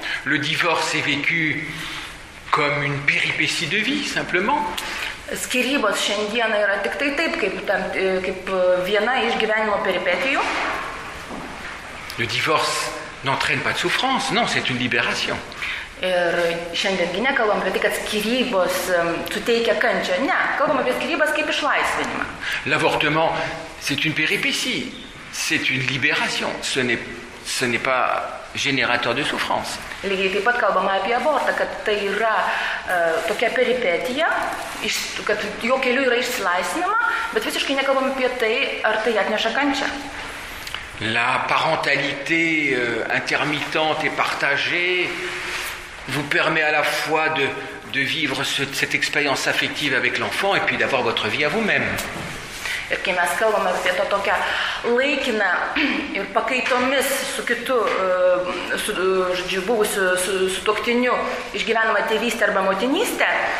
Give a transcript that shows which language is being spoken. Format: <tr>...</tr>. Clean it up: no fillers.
<fr>Le divorce est vécu comme une péripétie de vie, simplement.</fr> <lt>Skyrybos šiandien yra tik tai taip, kaip viena iš gyvenimo peripetijų.</lt> <fr>Le divorce n'entraîne pas de souffrance, non, c'est une libération.</fr> <lt>Ir šiandiengi nekalbam apie tai, kad skyrybos suteikia kančią. Ne, kalbam apie skyrybos kaip išlaisvinimą.</lt> <fr>L'avortement, c'est une péripétie, c'est une libération, ce n'est pas générateur de souffrance.</fr> <lt>Lygiai taip pat kalbama apie abortą, kad tai yra tokia peripetija, kad jo keliu yra išsilaisvinama, bet visiškai nekalbam apie tai, ar tai atneša kančią.</lt> <fr>La parentalité intermittente et partagée vous permet à la fois de vivre cette expérience affective avec l'enfant et puis d'avoir votre vie à vous-même.</fr> <lt>Ir kai mes kalbame apie to tokią laikiną ir pakaitomis su kitu, su buvusiu su toktiniu išgyvenama tėvystė arba motinystė,</lt>